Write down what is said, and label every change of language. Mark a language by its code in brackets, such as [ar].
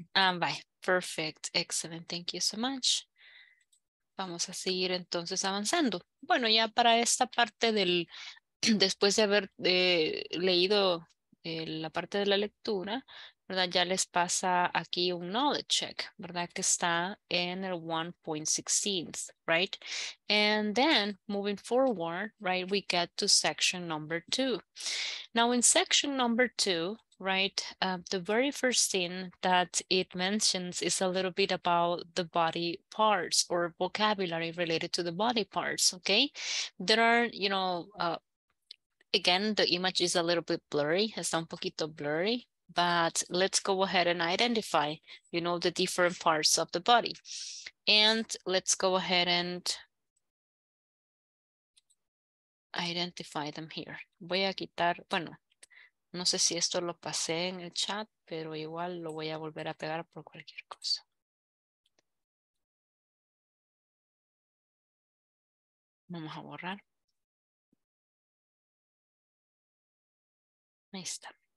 [en] Bye. Perfect. Excellent. Thank you so much. [es] Vamos a seguir entonces avanzando. Bueno, ya para esta parte del, después de haber leído la parte de la lectura, ¿verdad? Ya les pasa aquí un knowledge check, ¿verdad? Que está en el 1.16, [en] right? And then moving forward, right, we get to section number two. Now in section number two, right, the very first thing that it mentions is a little bit about the body parts or vocabulary related to the body parts, okay? There are, you know, again, the image is a little bit blurry, [es] está un poquito blurry, [en] but let's go ahead and identify, you know, the different parts of the body. And let's go ahead and identify them here. [es] Voy a quitar, bueno, No sé si esto lo pasé en el chat, pero igual lo voy a volver a pegar por cualquier cosa. Vamos a borrar. Ahí está.